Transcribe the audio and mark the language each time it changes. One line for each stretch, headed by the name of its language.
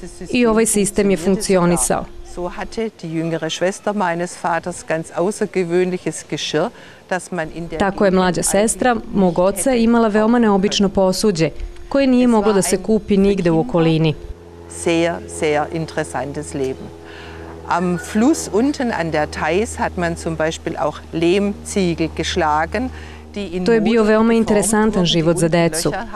Serbian: I ovaj sistem je funkcionisao.
German: So hatte die jüngere Schwester meines Vaters ganz außergewöhnliches Geschirr, das man in der
Serbian: Tako je mlađa sestra mog oca imala veoma neobično posuđe koje nije moglo da se kupi nigde u okolini.
German: Sehr, sehr interessantes Leben. Am Fluss unten an der Theiß hat man zum Beispiel auch Lehmziegel geschlagen.
Serbian: To je bio veoma interesantan život za decu.